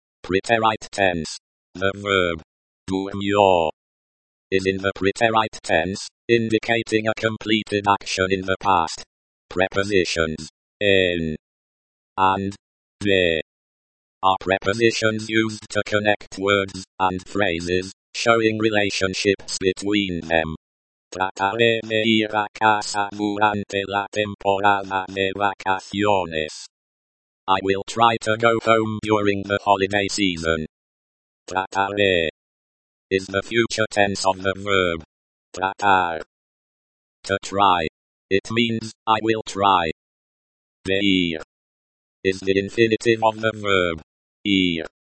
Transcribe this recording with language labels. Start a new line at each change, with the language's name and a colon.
English: Preterite tense. The verb, durmió, is in the preterite tense, indicating a completed action in the past. Prepositions, en, and, de, are prepositions used to connect words and phrases, showing relationships between them.
Spanish: Trataré de ir a casa durante la temporada de vacaciones.
English: I will try to go home during the holiday season. Trataré is the future tense of the verb tratar. To try. It means, I will try. De ir is the infinitive of the verb ir.